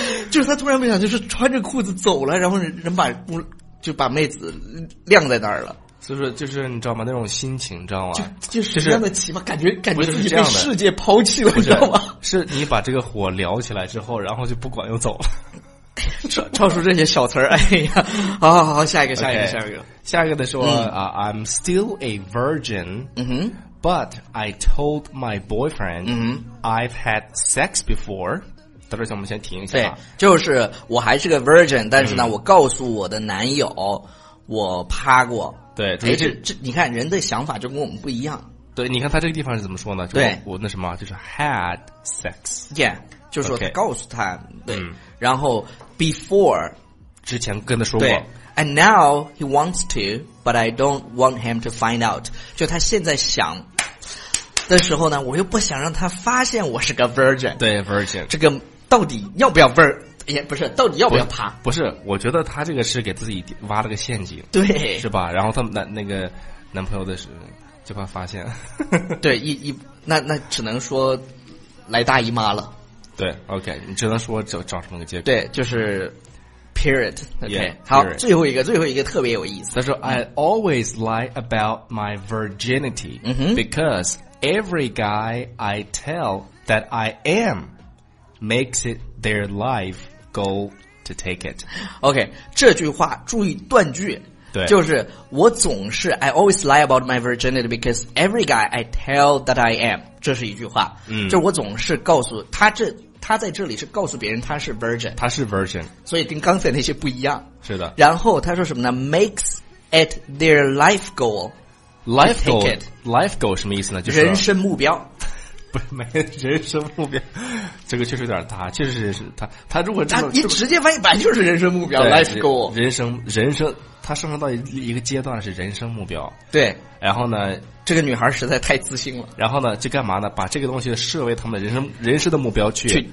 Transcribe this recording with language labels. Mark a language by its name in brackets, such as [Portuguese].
[Chinese] 就是她突然不想，就是穿着裤子走了，然后人把妹子晾在那儿了。所以说，就是你知道吗？那种心情，你知道吗？就是这样的奇葩，感觉自己被世界抛弃了，你知道吗？是你把这个火燎起来之后，然后就不管又走了。超出这些小词儿，哎呀，好好好，下一个，下一个， [English] okay, [Chinese] 下一个，下一个的说啊、嗯 ， [English] I'm still a virgin，嗯哼，but I told my boyfriend，嗯哼， I've had sex before。 [Chinese] 到这儿，我们先停一下。对，就是我还是个 virgin， 但是呢，嗯、我告诉我的男友，我趴过。对，哎，这你看，人的想法就跟我们不一样。对，你看他这个地方是怎么说呢？对，我那什么，就是 had sex， yeah， 就是说他告诉他， [English] okay, [Chinese] 对。嗯，然后 before 之前跟他说过， [English] and now he wants to but I don't want him to find out， [Chinese] 就他现在想的时候呢，我又不想让他发现我是个 virgin。对， virgin 这个到底要不要 virgin， 也不是到底要不要爬，不是，我觉得他这个是给自己挖了个陷阱，对，是吧？然后他那个男朋友的时候就怕发现。对，那只能说来大姨妈了。对 ，OK， 你只能说找什么个借口？对，就是 period。OK， [English] yeah, [Chinese] 好， [English] period. [Chinese] 最后一个特别有意思。他说、 [English] 嗯、：“I always lie about my virginity、嗯、 because every guy I tell that I am makes it their life goal to take it。” [Chinese] OK， 这句话注意断句。对，就是我总是 [English] I always lie about my virginity because every guy I tell that I am。 [Chinese] 这是一句话，嗯，就我总是告诉他他在这里是告诉别人他是 virgin， 所以跟刚才那些不一样。是的。然后他说什么呢 ？ [English] Makes it their life goal。 [Chinese] Life goal， life goal 什么意思呢？就是人生目标。不是，没人生目标，这个确实有点大，确实是他如果他一直接翻译版就是人生目标 ，life goal，人生，他上升到一个阶段是人生目标。对，然后呢？这个女孩实在太自信了，然后呢就干嘛呢，把这个东西设为他们人生的目标，去